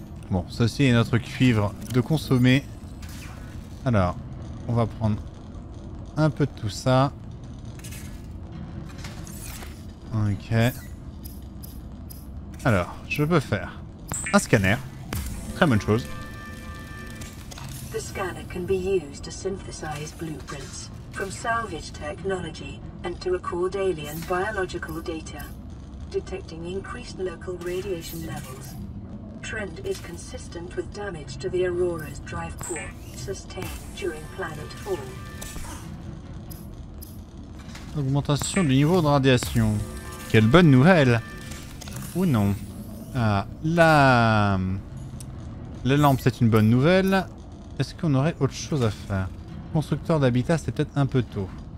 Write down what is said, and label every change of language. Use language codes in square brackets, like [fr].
[fr] Bon, ceci est notre cuivre de consommer. Alors, on va prendre un peu de tout ça. Ok. Alors, je peux faire un scanner, très bonne chose. [en] The scanner can be used to synthesize blueprints from salvage technology and to record alien biological data, detecting increased local radiation levels. Trend is consistent with damage to the Aurora's drive core sustained during planet fall. [fr] Augmentation du niveau de radiation. Quelle bonne nouvelle. Ou non. Ah, la lampe, c'est une bonne nouvelle. Est-ce qu'on aurait autre chose à faire? Constructeur d'habitat, c'est peut-être un peu tôt.